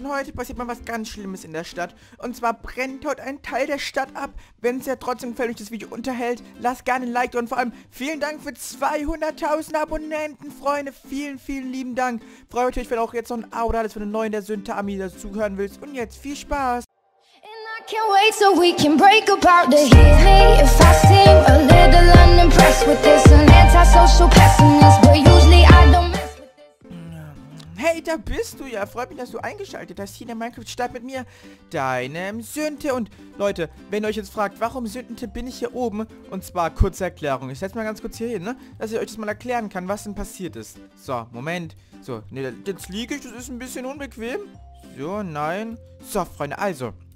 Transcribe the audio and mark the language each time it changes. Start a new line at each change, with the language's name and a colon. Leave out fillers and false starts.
German: Und heute passiert mal was ganz Schlimmes in der Stadt. Und zwar brennt heute ein Teil der Stadt ab. Wenn es dir trotzdem gefällt und das Video unterhält, lass gerne ein Like da. Und vor allem vielen Dank für 200.000 Abonnenten, Freunde. Vielen, vielen lieben Dank. Freue mich, wenn du auch jetzt noch ein Abo da bist, wenn du neu in der Synthe-Army dazuhören willst. Und jetzt viel Spaß.
English: And I can't wait so we can break apart the heat. Hey, if I seem a little unimpressed with this, an antisocial pessimist, but usually I don't mess with this. Hey,
German: da bist du ja. Freut mich, dass du eingeschaltet hast hier in der Minecraft-Stadt mit mir, deinem Synthe. Und Leute, wenn ihr euch jetzt fragt, warum Synthe bin ich hier oben? Und zwar kurze Erklärung. Ich setze mal ganz kurz hier hin, ne? Dass ich euch das mal erklären kann, was denn passiert ist. So, Moment. So, ne, jetzt liege ich. Das ist ein bisschen unbequem. So, nein. So, Freunde, also.